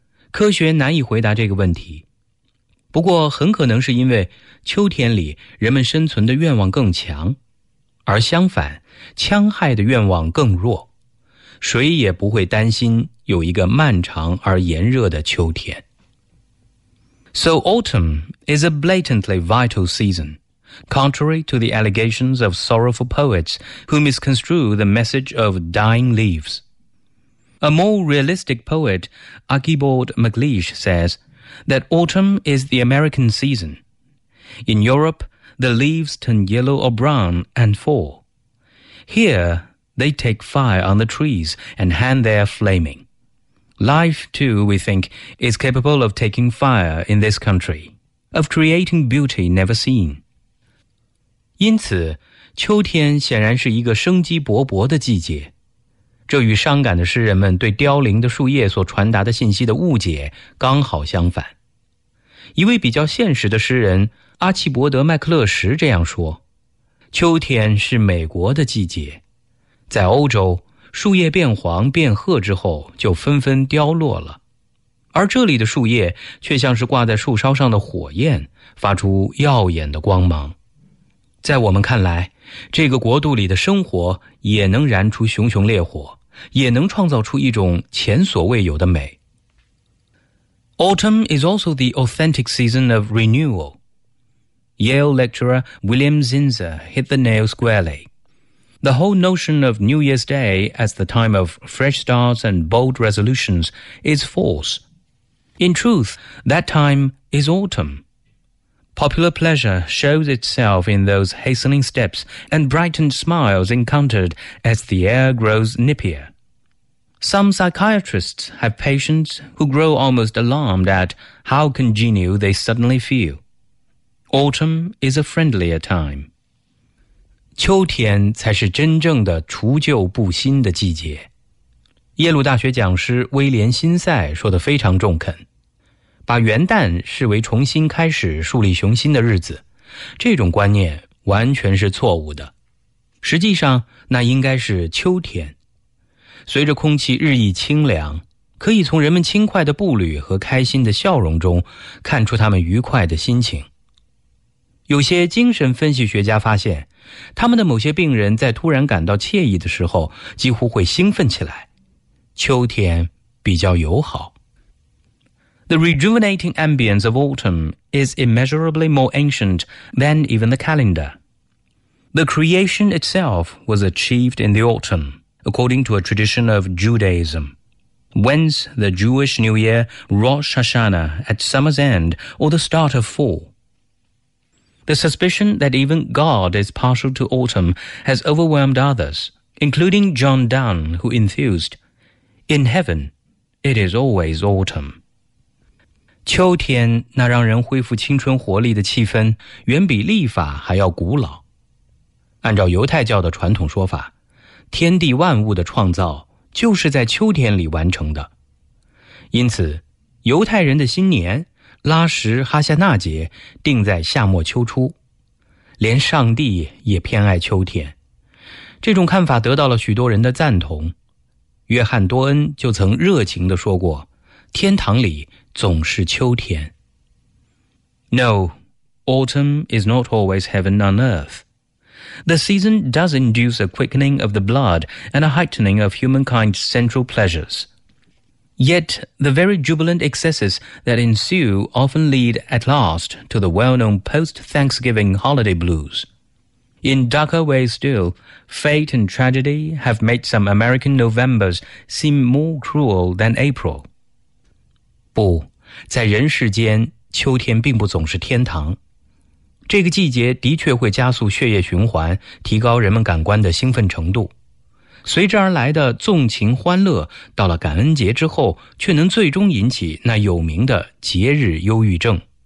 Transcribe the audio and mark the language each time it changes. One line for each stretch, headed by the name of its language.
Chinese: 科学难以回答这个问题。不过很可能是因为秋天里人们生存的愿望更强，而相反，戕害的愿望更弱，谁也不会担心有一个漫长而炎热的秋天。
English: So autumn is a blatantly vital season, contrary to the allegations of sorrowful poets who misconstrue the message of dying leaves. A more realistic poet, Archibald MacLeish, says that autumn is the American season. In Europe, the leaves turn yellow or brown and fall. Here, they take fire on the trees and hang there flaming. Life, too, we think, is capable of taking fire in this country, of creating beauty never seen.
Chinese: 因此，秋天显然是一个生机勃勃的季节。这与伤感的诗人们对凋零的树叶所传达的信息的误解刚好相反。一位比较现实的诗人，阿契伯德·麦克勒什这样说，秋天是美国的季节，在欧洲，树叶变黄变褐之后就纷纷凋落了，而这里的树叶却像是挂在树梢上的火焰，发出耀眼的光芒。在我们看来，这个国度里的生活也能燃出熊熊烈火，也能创造出一种前所未有的美。
English: Autumn is also the authentic season of renewal. Yale lecturer William Zinser hit the nail squarely. The whole notion of New Year's Day as the time of fresh starts and bold resolutions is false. In truth, that time is autumn. Popular pleasure shows itself in those hastening steps and brightened smiles encountered as the air grows nippier. Some psychiatrists have patients who grow almost alarmed at how congenial they suddenly feel. Autumn is a friendlier time.
Chinese: 秋天才是真正的除旧布新的季节。耶鲁大学讲师威廉·辛塞说得非常中肯，把元旦视为重新开始、树立雄心的日子，这种观念完全是错误的。实际上，那应该是秋天。随着空气日益清凉，可以从人们轻快的步履和开心的笑容中看出他们愉快的心情。有些精神分析学家发现，他们的某些病人在突然感到惬意的时候几乎会兴奋起来。秋天比较友好。
English: The rejuvenating ambience of autumn is immeasurably more ancient than even the calendar. The creation itself was achieved in the autumn, according to a tradition of Judaism, whence the Jewish New Year, Rosh Hashanah, at summer's end or the start of fall. The suspicion that even God is partial to autumn has overwhelmed others, including John Donne, who enthused, In heaven, it is always autumn.
Chinese: 秋天那让人恢复青春活力的气氛远比历法还要古老。按照犹太教的传统说法，天地万物的创造就是在秋天里完成的。因此，犹太人的新年拉什哈夏纳节定在夏末秋初，连上帝也偏爱秋天。这种看法得到了许多人的赞同。约翰多恩就曾热情地说过，天堂里总是秋天。
English: No, autumn is not always heaven on earth. The season does induce a quickening of the blood and a heightening of humankind's central pleasures. Yet, the very jubilant excesses that ensue often lead at last to the well-known post-Thanksgiving holiday blues. In darker ways still, fate and tragedy have made some American Novembers seem more cruel than April.
Chinese: 不，在人世间，秋天并不总是天堂。这个季节的确会加速血液循环，提高人们感官的兴奋程度。随之而来的纵情欢乐，到了感恩节之后，却能最终引起那有名的节日忧郁症。